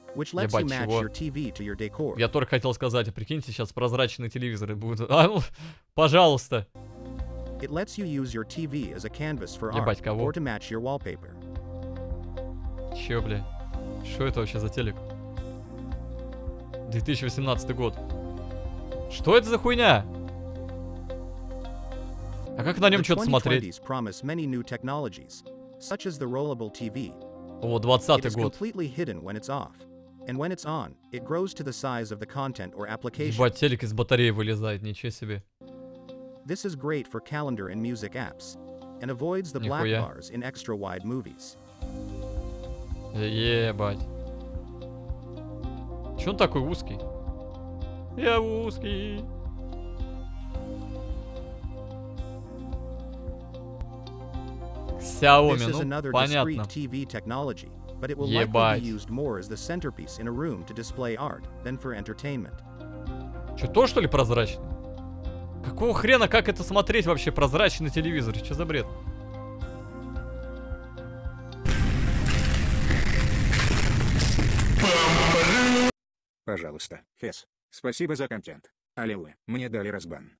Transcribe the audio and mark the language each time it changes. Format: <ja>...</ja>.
<en>Which lets you match your TV to your decor.</en> <ru>Я только хотел сказать, а прикиньте, сейчас прозрачные телевизоры будут. А, ну, пожалуйста.</ru> <en>It lets you use your TV as a canvas for art or to match your wallpaper.</en> <ru>Чё, бля? Что это вообще за телек? 2018 год. Что это за хуйня? А как на нём что-то смотреть?</ru> <en>The 2020s promise many new technologies, such as the rollable TV.</en> <ru>О, 20-й год.</ru> <en>It is completely hidden when it's off. And when it's on, it grows to the size of the content or application.</en> <ru>Ебать, телек из батареи вылезает, ничего себе.</ru> <en>This is great for calendar and music apps, and avoids the black bars in extra wide movies.</en> <ru>Ебать. Чё он такой узкий? Я узкий. Xiaomi, ну, понятно.</ru> <en>But it will likely be used more as the centerpiece in a room to display art than for entertainment.</en> <ru>Что то что ли прозрачный? Какого хрена как это смотреть вообще прозрачный телевизор? Что за бред? Пожалуйста, Хес, спасибо за контент. Аллилуйя, мне дали разбан.</ru>